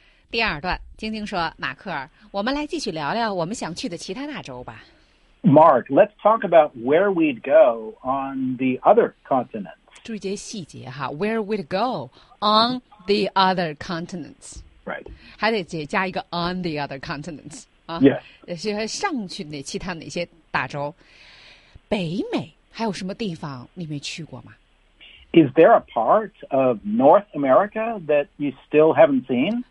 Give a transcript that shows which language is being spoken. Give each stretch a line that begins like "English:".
Chinese: 第二段，晶晶说，马克尔，我们来继续聊聊我们想去的其他大洲吧。
English: Mark, let's talk about where we'd go on the other continents.
Chinese: 注意这些细节哈 ,
English: where we'd go on the other continents. Right.
Chinese: 还得加一个
English: on the other continents.
Chinese: 也、
English: 啊 yeah.
Chinese: 是上去那其他哪些大洲。北美还有什么地方你没去过吗
English: ？Is there a part of North America that you still haven't seen？